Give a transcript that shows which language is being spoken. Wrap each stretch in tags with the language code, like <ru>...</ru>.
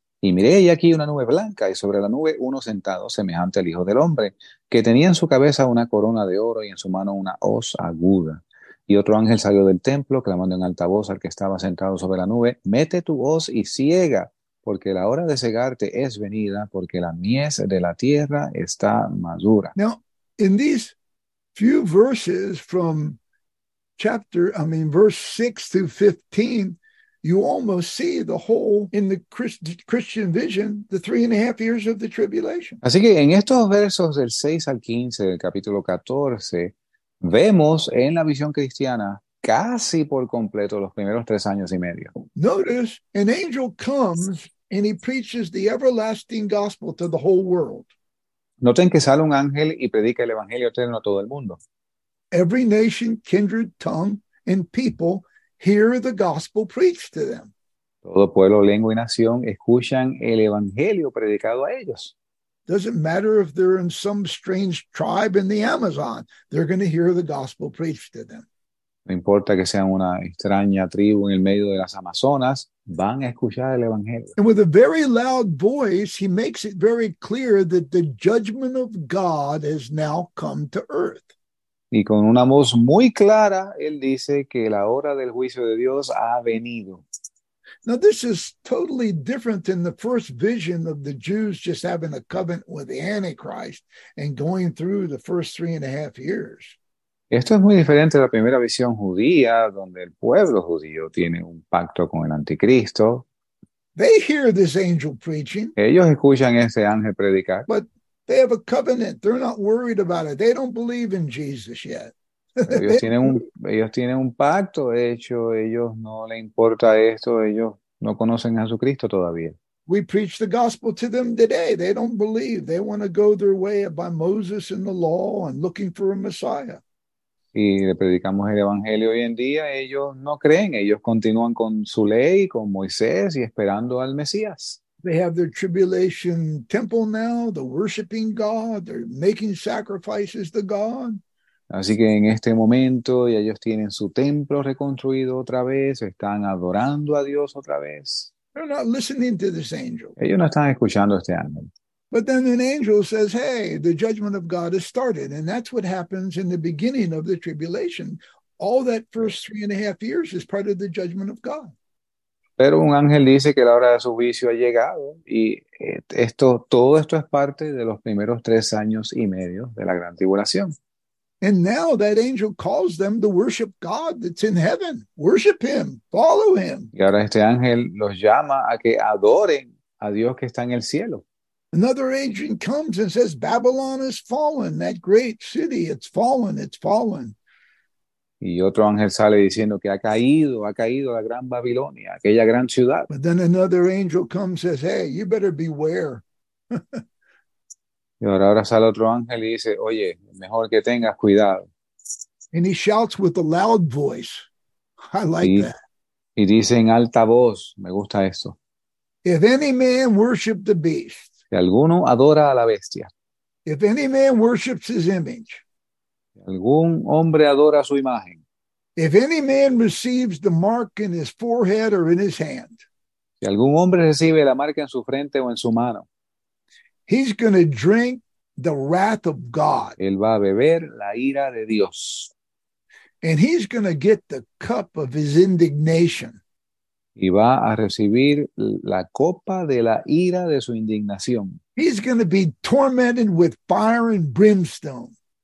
<es>Y miré, y aquí una nube blanca, y sobre la nube uno sentado, semejante al Hijo del Hombre, que tenía en su cabeza una corona de oro y en su mano una hoz aguda. Y otro ángel salió del templo, clamando en alta voz al que estaba sentado sobre la nube, mete tu hoz y siega, porque la hora de segarte es venida, porque la mies de la tierra está madura.</es> <en>Now, in these few verses from chapter, I mean, verse 6 through 15, you almost see the whole, in the Christian vision, the 3.5 years of the tribulation.</en> <es>Así que en estos versos del 6 al 15 del capítulo 14, vemos en la visión cristiana casi por completo los primeros 3 años y medio.</es> <en>Notice an angel comes and he preaches the everlasting gospel to the whole world.</en> <es>Noten que sale un ángel y predica el evangelio eterno a todo el mundo.</es> <en>Every nation, kindred, tongue, and people hear the gospel preached to them.</en> <es>Todo pueblo, lengua y nación escuchan el evangelio predicado a ellos.</es> <en>Doesn't matter if they're in some strange tribe in the Amazon, they're going to hear the gospel preached to them.</en> <es>No importa que sean una extraña tribu en el medio de las Amazonas, van a escuchar el Evangelio.</es> <en>And with a very loud voice, he makes it very clear that the judgment of God has now come to earth.</en> <es>Y con una voz muy clara, él dice que la hora del juicio de Dios ha venido.</es> <en>Now, this is totally different than the first vision of the Jews just having a covenant with the Antichrist and going through the first 3.5 years.</en> <es>Esto es muy diferente a la primera visión judía, donde el pueblo judío tiene un pacto con el anticristo.</es> <en>They hear this angel preaching,</en> <es>Ellos escuchan a ese ángel predicar.</es> <en>but they have a covenant. They're not worried about it. They don't believe in Jesus yet.</en> <es>Pero ellos tienen un pacto hecho, ellos no les importa esto, ellos no conocen a Jesucristo todavía.</es> <en>We preach the gospel to them today. They don't believe. They want to go their way by Moses and the law and looking for a Messiah.</en> <es>Y le predicamos el evangelio hoy en día, ellos no creen, ellos continúan con su ley, con Moisés y esperando al Mesías.</es> <en>They have their tribulation temple now, they're worshiping God, they're making sacrifices to God.</en> <es>Así que en este momento ya ellos tienen su templo reconstruido otra vez, están adorando a Dios otra vez.</es> <en>They're not listening to this angel.</en> <es>Ellos no están escuchando a este ángel.</es> <en>But then an angel says, hey, the judgment of God has started. And that's what happens in the beginning of the tribulation. All that first 3.5 years is part of the judgment of God.</en> <es>Pero un ángel dice que la hora de su juicio ha llegado y todo esto es parte de los primeros 3 años y medio de la gran tribulación.</es> <en>And now that angel calls them to worship God that's in heaven. Worship him. Follow him.</en> <es>Y ahora este ángel los llama a que adoren a Dios que está en el cielo.</es> <en>Another angel comes and says, Babylon has fallen, that great city, it's fallen, it's fallen.</en> <es>Y otro ángel sale diciendo que ha caído la gran Babilonia, aquella gran ciudad.</es> <en>But then another angel comes and says, hey, you better beware.</en> <es>Y ahora sale otro ángel y dice, oye, mejor que tengas cuidado.</es> <en>And he shouts with a loud voice. I like</en> <es>Y</es> <en>that.</en> <es>dice en alta voz, me gusta esto.</es> <en>If any man worship the beast,</en> <es>Si alguno adora a la bestia.</es> <en>if any man worships his image,</en> <es>Si algún hombre adora su imagen.</es> <en>if any man receives the mark in his forehead or in his hand,</en> <es>Si algún hombre recibe la marca en su frente o en su mano.</es> <en>he's going to drink the wrath of God.</en> <es>Él va a beber la ira de Dios.</es> <en>And he's going to get the cup of his indignation.</en> <es>Y va a recibir la copa de la ira de su indignación.</es> <en>He's going to be tormented with fire and brimstone</en>